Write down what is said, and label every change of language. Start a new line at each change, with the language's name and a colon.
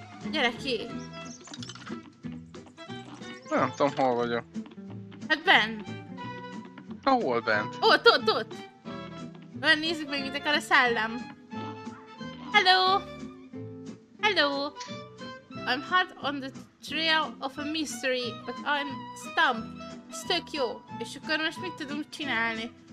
Hungarian: Gyere ki. Nem tudom, hol vagyok. Hát bent. Ahol bent? Ott. Már nézzük meg, mit akar a szellem.
English: Hello! Hello! I'm hot on the trail of a mystery, but I'm stumped. It's
Hungarian: tök jó. És akkor most mit tudunk csinálni?